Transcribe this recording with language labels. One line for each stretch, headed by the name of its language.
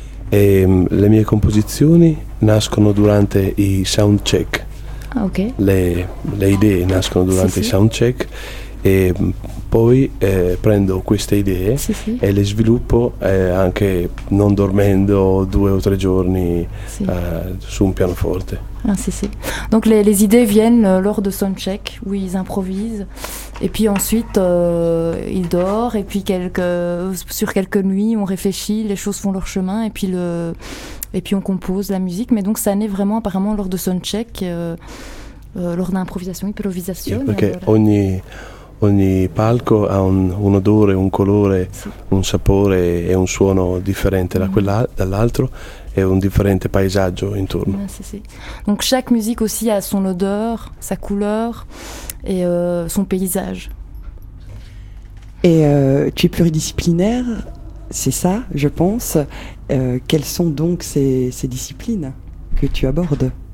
Italian: E, le mie composizioni nascono durante i sound check. Ah, ok. Le idee nascono durante i sound check e poi prendo queste idee e le sviluppo anche non dormendo due o tre giorni su un pianoforte. Ah, sì.
French: Donc les idées viennent lors de son check où ils improvisent et puis ensuite ils dorment et puis sur quelques nuits on réfléchit, les choses font leur chemin et puis on compose la musique, mais donc ça naît vraiment apparemment lors de son check lors d'improvisation, improvisation.
English: Yeah,
Italian: perché ogni palco ha un odore, un colore, un sapore e un suono differente da dall'altro.
French: Et un différent paysage autour. Donc chaque musique aussi a son odeur, sa couleur et son paysage. Et tu es pluridisciplinaire, c'est ça, je pense. Quelles sont donc ces disciplines que tu abordes?